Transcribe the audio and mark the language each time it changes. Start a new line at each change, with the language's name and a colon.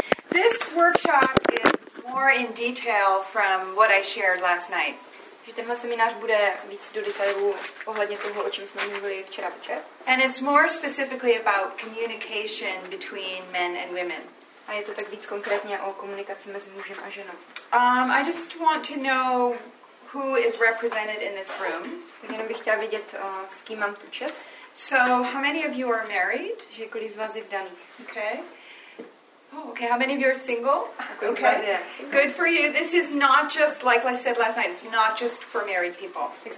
English: This workshop is more in detail from what I shared last night.
Czech: Že tenhle seminář bude víc do detailu ohledně toho, o čem jsme mluvili včera večer.
English: And it's more specifically about communication between men and women.
Czech: A je to tak víc konkrétně o komunikaci mezi mužem a ženou.
English: I just want to know who is represented in this room.
Czech: Tak jenom bych chtěla vědět, s kým mám tu čest.
English: So, how many of you are married?
Czech: Že kolik z vás je vdaný?
English: Okay. Oh, okay, how many of you are single? Okay, good for you. This is not just, like I said last night, it's not just for married people.